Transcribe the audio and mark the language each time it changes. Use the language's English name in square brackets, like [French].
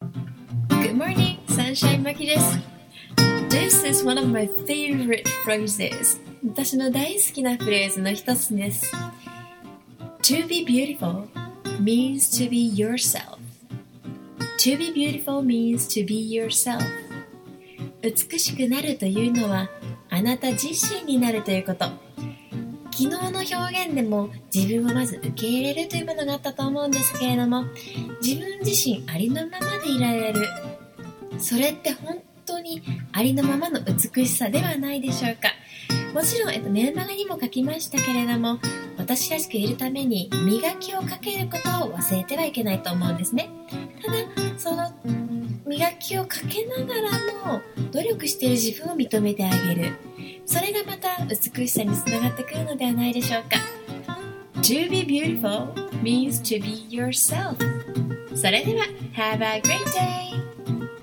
[Japanese] Sunshine Maki です。 [English] This is one of my favorite phrases. [Japanese] 私の大好きなフレーズの一つです。 [English] To be beautiful means to be yourself. To be beautiful means to be yourself. [Japanese] 美しくなるというのはあなた自身になるということ。昨日の表現でも自分をまず受け入れるというものがあったと思うんですけれども、自分自身ありのままでいられる、それって本当にありのままの美しさではないでしょうか。もちろん、メルマガにも書きましたけれども、私らしくいるために磨きをかけることを忘れてはいけないと思うんですね。ただその磨きをかけながらも努力している自分を認めてあげる、それがまた美しさにつながってくるのではないでしょうか。 [English] To be beautiful means to be yourself. [Japanese] それでは [English] Have a great day!